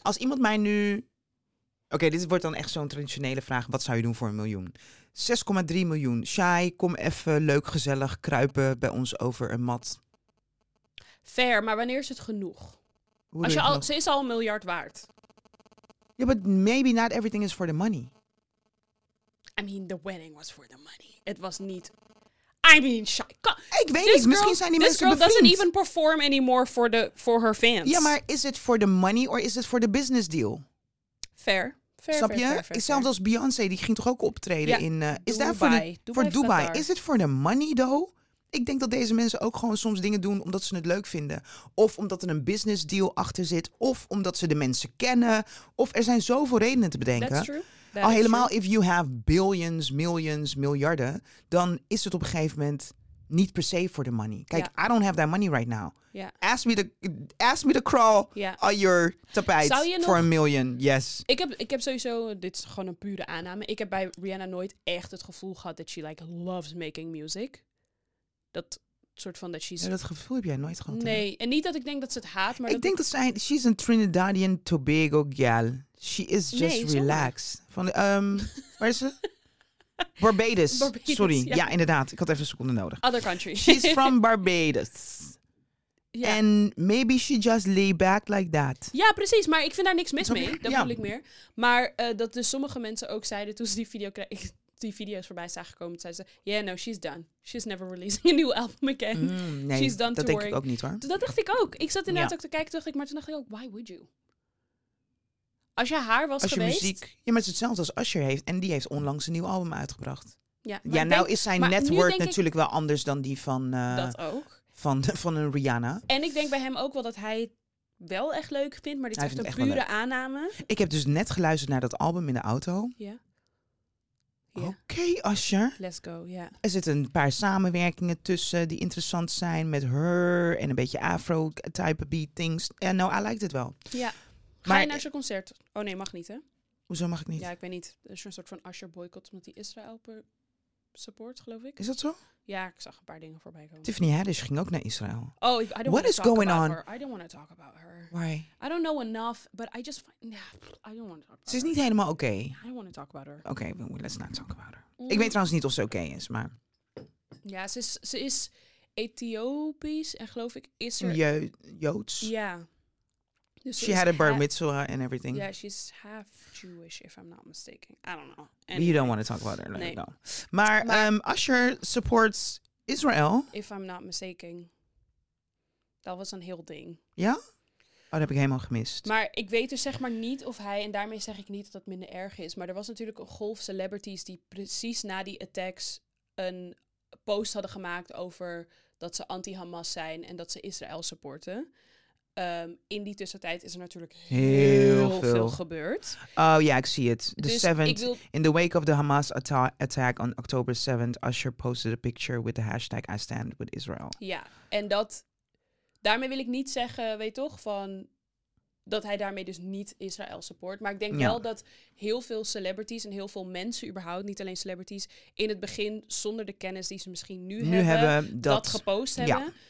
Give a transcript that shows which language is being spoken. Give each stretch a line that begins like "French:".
Dutch: Als iemand mij nu... Oké, dit wordt dan echt zo'n traditionele vraag. Wat zou je doen voor een miljoen? 6,3 miljoen. Shai, kom even leuk gezellig kruipen bij ons over een mat. Fair, maar wanneer is het genoeg? Ze is al een miljard waard.
English: Ja, yeah, but maybe not everything is for the money. I mean, the wedding was for the money. It was niet... I mean,
Dutch: ik weet niet, misschien zijn die mensen bevriend.
English: This girl doesn't even perform anymore for her fans.
Dutch: Ja, maar
English: is it for the money or is it for the business deal? Fair.
Dutch: Zelfs als Beyoncé, die ging toch ook optreden in... Is dat voor Dubai?
English: Is it for the money though?
Dutch: Ik denk dat deze mensen ook gewoon soms dingen doen omdat ze het leuk vinden. Of omdat er een business deal achter zit. Of omdat ze de mensen kennen. Of er zijn zoveel redenen te bedenken.
English: That's true.
Dutch: Al helemaal,
English: if you have billions, millions,
Dutch: miljarden, dan is het op een gegeven moment niet per se
English: for the money.
Dutch: Kijk, ja.
English: I don't have that money right now.
Dutch: Ja.
English: Ask me to crawl on your tapijt for a million. Yes.
Dutch: Ik heb sowieso, dit is gewoon een pure aanname, ik heb bij Rihanna nooit echt het gevoel gehad dat
English: she like loves making music.
Dutch: Dat soort van dat
English: she's...
Dutch: Ja, dat gevoel heb jij nooit gehad. Nee, en niet dat ik denk dat ze het haat, maar... Ik denk dat zij,
English: she's a Trinidadian Tobago gal. She is just relaxed.
Dutch: Van de, waar is ze? Barbados. Sorry. Ja. Ja, inderdaad. Ik had even een seconde nodig.
English: Other country. She's from Barbados. Yeah. And maybe she just lay back like that.
Dutch: Ja, precies. Maar ik vind daar niks mis mee. Dat bedoel ik meer. Maar dat dus sommige mensen ook zeiden toen ze die video kregen. Die video's voorbij zijn gekomen, zeiden ze...
English: Yeah, no, she's done. She's never releasing a new album again.
Dutch: Nee,
English: she's done
Dutch: dat
English: touring.
Dutch: Denk ik ook niet, hoor. Dat dacht ik ook. Ik zat inderdaad ook te kijken, dacht ik, maar toen dacht ik ook,
English: why would you?
Dutch: Als je haar was als je geweest... Muziek, ja, maar het is hetzelfde als Usher heeft. En die heeft onlangs een nieuw album uitgebracht. Ja, maar ja nou denk, is zijn network natuurlijk ik, wel anders dan die van... Dat ook. Van een Rihanna. En ik denk bij hem ook wel dat hij wel echt leuk vind, maar dit is een pure aanname. Ik heb dus net geluisterd naar dat album in de auto. Ja.
English: Yeah. Oké, okay, Asha. Let's go, ja. Yeah.
Dutch: Er zitten een paar samenwerkingen tussen die interessant zijn met her en een beetje afro-type beat things.
English: Yeah, no, I liked it wel.
Dutch: Ja. Maar, ga je naar zo'n concert? Oh nee, mag niet, hè? Hoezo mag ik niet? Ja, ik weet niet. Er is een soort van Asher boycott omdat die Israël support, geloof ik. Is dat zo? Ja, ik zag een paar dingen voorbij komen. Tiffany Haddish ging ook naar Israël.
English: Oh, I don't want to talk about her. I don't want to talk about her. Why? I don't know enough, but I just find... I don't want to talk about her.
Dutch: Ze is niet helemaal oké.
English: Okay. I don't want to talk about her. Oké, okay, let's not talk about her. Mm.
Dutch: Ik weet trouwens niet of ze oké okay is, maar... Ja, ze is Ethiopisch en geloof ik is er... Joods? Ja. Yeah.
English: Dus she had a bar mitzvah and everything. Yeah, she's half Jewish, if I'm not mistaken. I don't know. Anyway. You don't want to talk about her. Nee. No.
Dutch: Maar
English: Usher supports Israel. If I'm not mistaken.
Dutch: Dat was een heel ding. Ja? Oh, dat heb ik helemaal gemist. Maar ik weet dus zeg maar niet of hij, en daarmee zeg ik niet dat het minder erg is, maar er was natuurlijk een golf celebrities die precies na die attacks een post hadden gemaakt over dat ze anti-Hamas zijn en dat ze Israël supporten. In die tussentijd is er natuurlijk heel veel gebeurd. Oh ja, ik zie het.
English: In the wake of the Hamas attack on October 7th, Usher posted a picture with the hashtag I stand with Israel.
Dutch: Ja, en dat daarmee wil ik niet zeggen, weet toch, van dat hij daarmee dus niet Israël support. Maar ik denk wel dat heel veel celebrities en heel veel mensen überhaupt, niet alleen celebrities, in het begin zonder de kennis die ze misschien nu hebben dat gepost hebben. Ja.